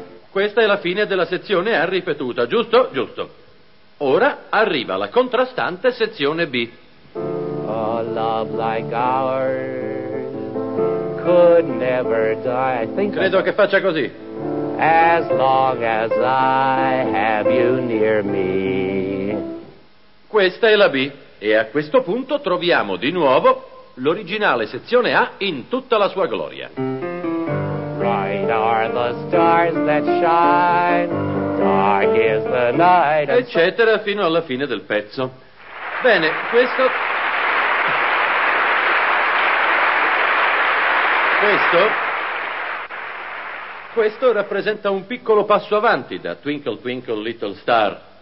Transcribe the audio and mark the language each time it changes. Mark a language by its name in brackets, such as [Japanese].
[Italian] Questa è la fine della sezione A ripetuta, giusto? Giusto. Ora arriva la contrastante sezione B. [English] A love like ours could never die. [Italian] Credo che faccia così. [English] As long as I have you near me. [Italian] Questa è la B. E a questo punto troviamo di nuovo l'originale sezione A in tutta la sua gloria. [English] Bright are the stars that shine, dark is the night. [Italian] Eccetera, fino alla fine del pezzo. Bene, questo... Questo rappresenta un piccolo passo avanti da Twinkle Twinkle Little Star.